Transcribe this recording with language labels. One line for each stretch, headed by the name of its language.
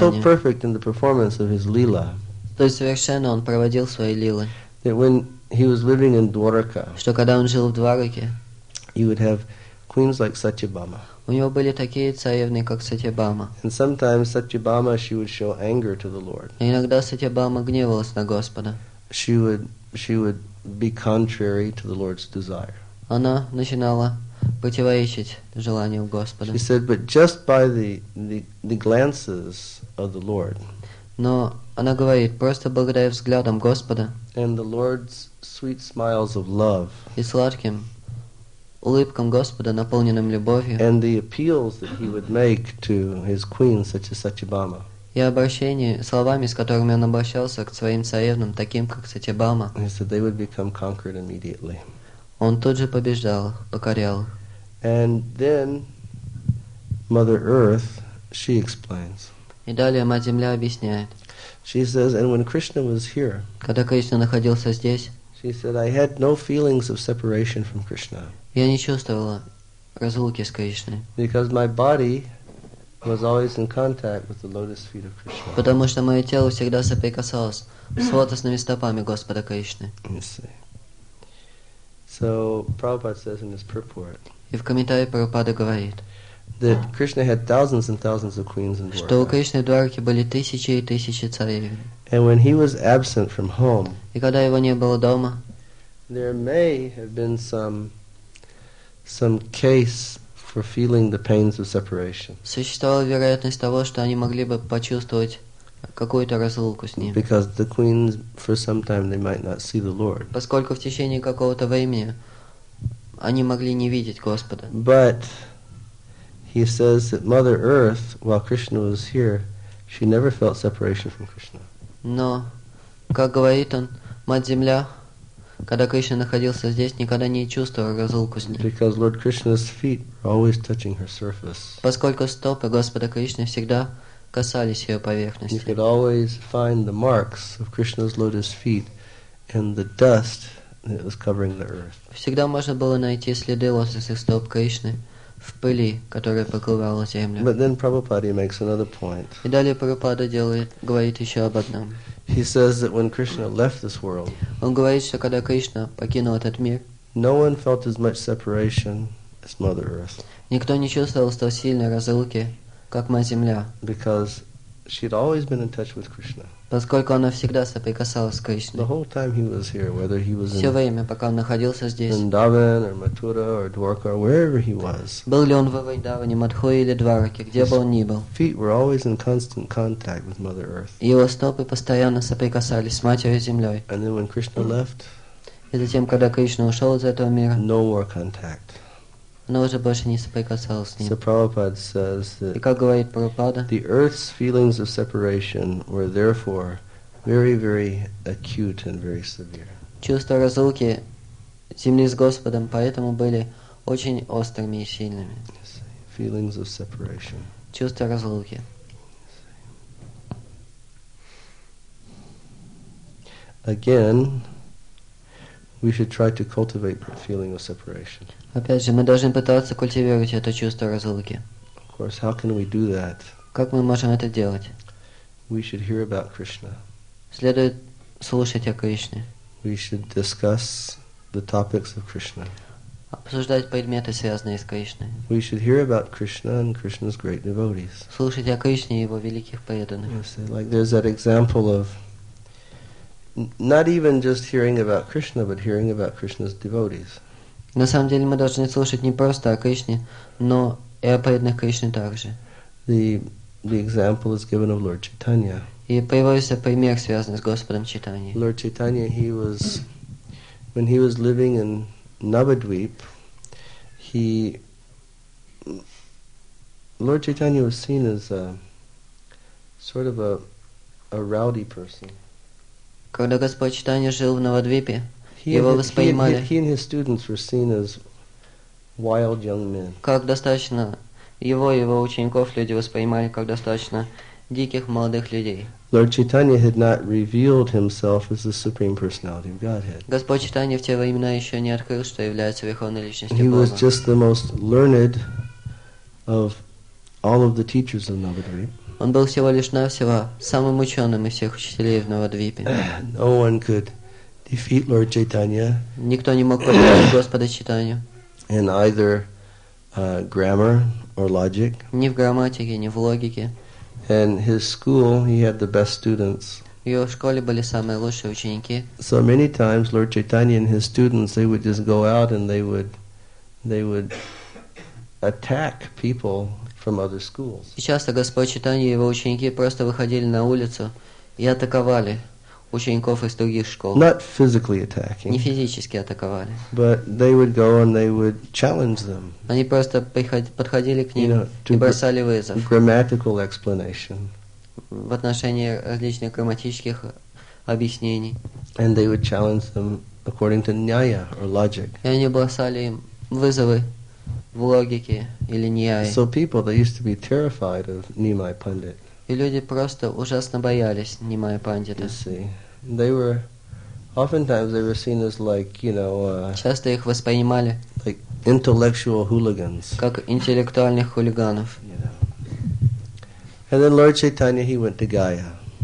English: So perfect in the performance of his lila.
Russian: Столь совершенно он проводил свои лилы.
English: That when he was living in Dwaraka,
Russian: что когда он жил в Двараке,
English: he would have queens like Satyabhama.
Russian: У него были такие царевны, как Сатьябама.
English: And sometimes Satyabhama, she would show anger to the Lord.
Russian: И иногда Сатьябама гневалась на Господа.
English: She would be contrary to the Lord's desire.
Russian: Она начинала противоречить желанию Господа.
English: She said, but just by the glances of the Lord.
Russian: Но она говорит, просто благодаря взглядам Господа.
English: And the Lord's sweet smiles of love.
Russian: И сладким улыбкам Господа, наполненным любовью.
English: And the appeals that he would make to his queen, such as Satyabhama.
Russian: И обращение словами, с которыми он обращался к своим царевнам, таким как Сатьябама.
English: He said they would become conquered immediately.
Russian: Он тут же побеждал, покорял.
English: And then Mother Earth, she explains.
Russian: И далее Мать Земля объясняет.
English: She says, and when Krishna was here,
Russian: когда Кришна находился здесь,
English: she said, I had no feelings of separation from Krishna.
Russian: Я не чувствовала разлуки с Кришной.
English: Because my body was always in contact with the lotus feet of Krishna.
Russian: Потому что мое тело всегда соприкасалось с лотосными стопами Господа Кришны.
English: So Prabhupada says in his purport.
Russian: И в комментарии Прабхупада говорит.
English: That Krishna had thousands and thousands of queens in Dwarka.
Russian: Что у Кришны в Дварке были тысячи и тысячи царевен.
English: And when he was absent from home.
Russian: И когда его не было дома.
English: There may have been some case for feeling the pains of separation.
Russian: Существовала вероятность того, что они могли бы почувствовать какую-то разлуку с ним.
English: Because the queens, for some time, they might not see the Lord.
Russian: Поскольку в течение какого-то времени они могли не видеть Господа.
English: But he says that Mother Earth, while Krishna was here, she never felt separation from Krishna.
Russian: Но, как говорит он, Мать Земля, когда Кришна находился здесь, никогда не чувствовал разлуку с ним.
English: Because Lord Krishna's feet are always touching her surface.
Russian: Поскольку стопы Господа Кришны всегда касались ее поверхности.
English: You could always find the marks of Krishna's lotus feet in the dust that was covering the earth.
Russian: Всегда можно было найти следы лотосных стоп Кришны в пыли, которая покрывала землю.
English: But then Prabhupada makes another point.
Russian: И далее Прабхупада говорит еще об одном.
English: He says that when Krishna left this world,
Russian: он говорит, что когда Кришна покинул этот мир,
English: no one felt as much separation as Mother Earth.
Russian: Никто не чувствовал столь сильной разлуки, как Мать Земля.
English: Because she had always been in touch with Krishna.
Russian: Поскольку она всегда соприкасалась с Кришной.
English: The whole time he was here, whether he was
Russian: все время, пока он находился здесь,
English: Vrindavan or Mathura or Dwarka or wherever he was,
Russian: был ли он во Вриндаване, Мадхуре или Двараке, где бы он ни был,
English: feet were always in constant contact with Mother Earth.
Russian: Его стопы постоянно соприкасались с Матерью Землей.
English: And then when Krishna left,
Russian: и затем, когда Кришна ушел из этого мира,
English: no more contact.
Russian: Она уже больше не соприкасалась с ним.
English: So Prabhupada says that,
Russian: и как говорит Прабхупада,
English: the earth's feelings of separation were therefore very, very acute and very severe.
Russian: Чувства разлуки земли с Господом поэтому были очень острыми и сильными.
English: Feelings of separation.
Russian: Чувства разлуки.
English: Again, we should try to cultivate the feeling of separation.
Russian: Опять же, мы должны пытаться культивировать это чувство разлуки.
English: Of course, how can we do that?
Russian: Как мы можем это делать?
English: We should hear about Krishna.
Russian: Следует слушать о Кришне.
English: We should discuss the topics of Krishna.
Russian: Обсуждать предметы, связанные с Кришной.
English: We should hear about Krishna and Krishna's great devotees.
Russian: Слушать о Кришне и его великих преданных.
English: Like there's that example of not even just hearing about Krishna, but hearing about Krishna's devotees.
Russian: На самом деле мы должны слушать не просто о Кришне, но и о преданных Кришне также.
English: The example is given of Lord Chaitanya.
Russian: И приводится пример, связанный с Господом Чайтаньей.
English: Lord Chaitanya, when he was living in Navadvip, Lord Chaitanya was seen as a sort of a rowdy person.
Russian: Когда Господь Чайтанья жил в Навадвипе, его воспринимали.
English: He and his students were seen as wild young men.
Russian: Как достаточно его и его учеников люди воспринимали как достаточно диких молодых людей.
English: Lord Chaitanya had not revealed himself as the Supreme Personality of Godhead.
Russian: Господь Чайтанья в те времена еще не открыл, что является верховной личностью Бога.
English: He was just the most learned of all of the teachers of Navadvipa.
Russian: Он был всего лишь навсего самым ученым из всех учителей в Навадвипе.
English: No one could defeat Lord Chaitanya.
Russian: Никто не мог победить Господа Чайтанью.
English: In either grammar or logic.
Russian: Ни в грамматике, ни в логике.
English: And his school, he had the best students.
Russian: В его школе были самые лучшие ученики.
English: So many times Lord Chaitanya and his students, they would just go out and they would attack people from other schools.
Russian: И часто Господь Чайтанья и его ученики просто выходили на улицу и атаковали учеников из других школ.
English: Not physically attacking.
Russian: Не физически атаковали.
English: But they would go and they would challenge them.
Russian: Они просто подходили к ним,
English: you know,
Russian: и бросали вызов.
English: Grammatical explanation.
Russian: В отношении различных грамматических объяснений.
English: And they would challenge them according to nyaya or logic.
Russian: И они бросали им вызовы в логике или ньяи.
English: So people, they used to be terrified of Nimai Pandit.
Russian: И люди просто ужасно боялись Нимая Пандита. Часто их воспринимали
English: like intellectual hooligans.
Russian: Как интеллектуальных хулиганов.
English: And then Lord Chaitanya, he went to Gaya.